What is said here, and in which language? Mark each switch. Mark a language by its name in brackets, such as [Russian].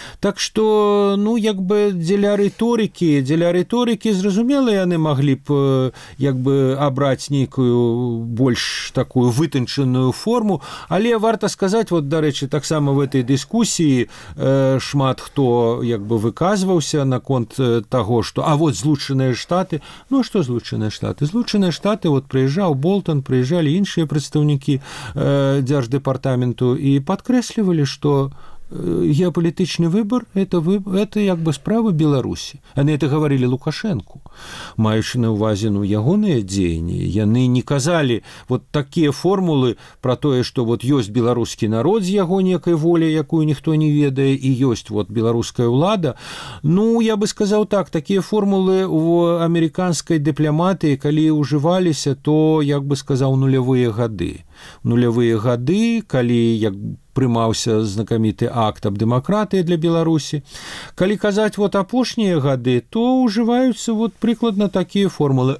[Belarusian] Так што, ну, як бы дзеля рыторыкі, зразумела, яны маглі б як бы абраць нейкую больш такую вытанчаную форму, але варта сказаць, вот, дарэчы, таксама в этой дыскусіі шмат хто як бы выказваўся наконт таго, што а вот Злучаныя Штаты, ну, што Злучаныя Штаты? Злучаныя Штаты, вот прыезжаў Болтон, прыезжалі іншыя прадстаўнікі дзярждэпартаменту і [Russian] подкресливали, что геополитичный выбор – это как бы справа Беларуси. Они это говорили Лукашенко, [Belarusian] маючи на увазе, [Russian] ну, ягоные деяния. Яны не казали вот такие формулы про то, что вот есть белорусский народ с его некой волей, якую никто не ведает, и есть вот белорусская влада. Ну, я бы сказал так, такие формулы у американской дипломатии, коли уживались, то, я бы сказал, нулевые годы. [Belarusian] Нулевые годы, коли я прымаўся знакаміты акт аб дэмакратыі для Беларусі. Калі казаць вот апошнія гады, то ўжываюцца вот прыкладна такія формулы.